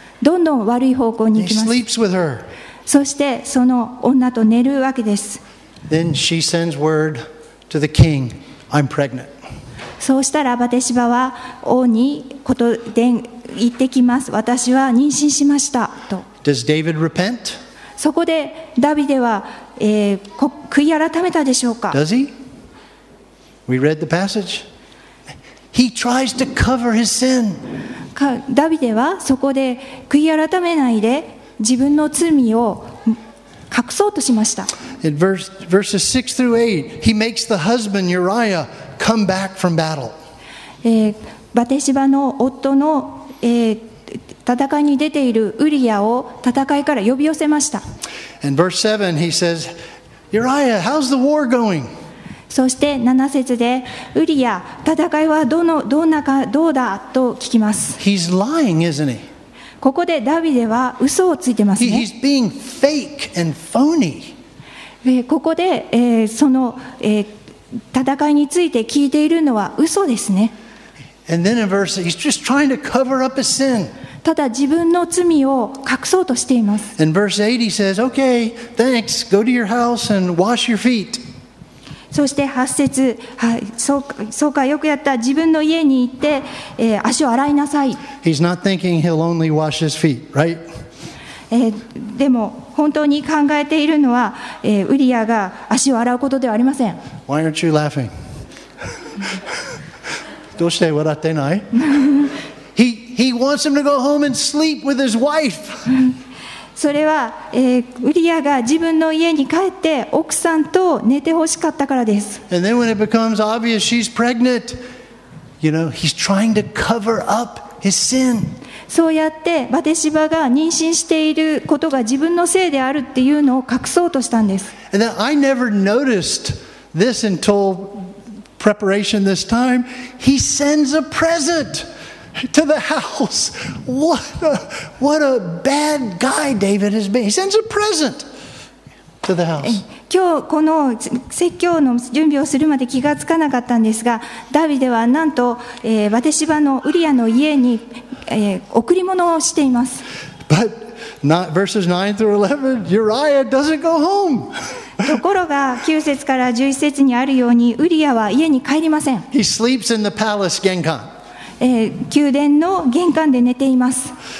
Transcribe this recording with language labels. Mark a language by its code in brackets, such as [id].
[ja] どんどん悪い方向に行きます。 [en] He sleeps with her. [ja] そしてその女と寝るわけです。 [en] Then she sends word to the king, I'm pregnant. [ja] そうしたらバテシバは王に言ってきます。私は妊娠しましたと。 [en] Does David repent? [ja] そこでダビデは、悔い改めたでしょうか [en] Does he? We read the passage. He tries to cover his sin. [ja] ダビデはそこで悔い改めないで自分の罪を隠そうとしました。 [en] In verses 6 through 8, he makes the husband Uriah come back from battle. [ja] バテシバの夫の、戦いに出ているウリアを戦いから呼び寄せました。 [en] And verse 7, he says, Uriah, how's the war going? [ja] そして7節で、ウリア、戦いはどうだと聞きます。 [en] He's lying, isn't he? [ja] ここでダビデは嘘をついてますね。 [en] He's being fake and phony. [ja] ここで、その、戦いについて聞いているのは嘘ですね。 [en] And then in verse 8, he's just trying to cover up his sin. [ja] ただ自分の罪を隠そうとしています。 [en] And verse 8 he says, okay, thanks, go to your house and wash your feet. [ja] そして8節、はい、そうかよくやった自分の家に行って、足を洗いなさい。 [en] He's not thinking he'll only wash his feet, right? [ja] でも本当に考えているのは、ウリアが足を洗うことではありません。 [en] Why aren't you laughing? [ja] どうして笑ってない？ [en] he wants him to go home and sleep with his wife. [ja] それは、ウリアが自分の家に帰って奥さんと寝てほしかったからです。 [en] And then when it becomes obvious she's pregnant, you know, he's trying to cover up his sin. [ja] そうやってバテシバが妊娠していることが自分のせいであるっていうのを隠そうとしたんです。 [en] And then I never noticed this until preparation this time. He sends a present to the house. What a bad guy David has been. He sends a present to the house. [ja] 今日この説教の準備をするまで気がつかなかったんですが、ダビデはなんと、バテシバのウリアの家に、贈り物をしています。 [en] But not, verses 9 through 11 Uriah doesn't go home. [ja] ところが9節から11節にあるようにウリアは家に帰りません。 [en] He sleeps in the palace 玄関、 [ja] 宮殿の玄関で寝ています。